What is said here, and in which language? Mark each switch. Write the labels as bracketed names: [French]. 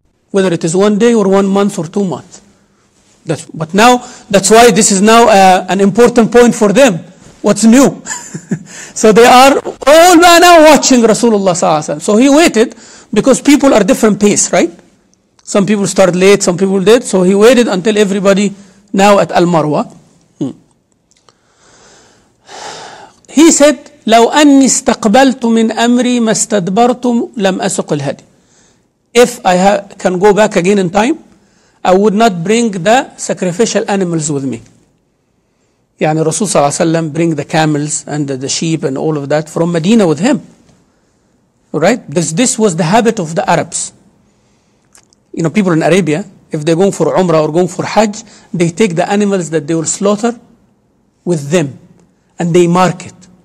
[English] Whether it is 1 day or 1 month or 2 months. But now, that's why this is now an important point for them. What's new? So they are all now watching Rasulullah sallallahu alayhi wa sallam. So he waited because people are different pace, right? Some people start late, some people did. So he waited until everybody now at Al-Marwa. He said, [Arabic] لو أني استقبلت من أمري ما استدبرت لم أسق الهدي. [English] If I can go back again in time, I would not bring the sacrificial animals with me. [Arabic] يعني الرسول صلى الله عليه وسلم [English] bring the camels and the sheep and all of that from Medina with him. Right? This was the habit of the Arabs. You know, people in Arabia, if they're going for Umrah or going for Hajj, they take the animals that they will slaughter with them and they mark it.